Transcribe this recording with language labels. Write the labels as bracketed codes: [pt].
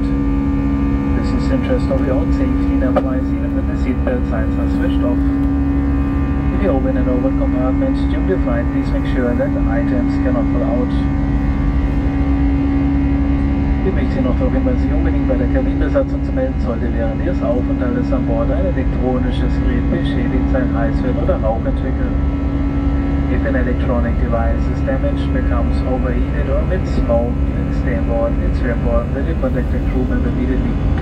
[en] This is interest of your own safety and applies even when the seatbelt signs are switched off. If you open an open compartment, during the flight, please make sure that items cannot fall out. [de] Ich möchte Sie noch darauf hinweisen, Sie unbedingt bei der Kabinenbesatzung zu melden, sollte während Ihres Aufenthaltes an Bord ein elektronisches Gerät beschädigt sein, heiß wird oder Rauch entwickeln. [en] If an electronic device is damaged, becomes overheated or emits smoke, it is therefore it's very important that you contact the crew member immediately.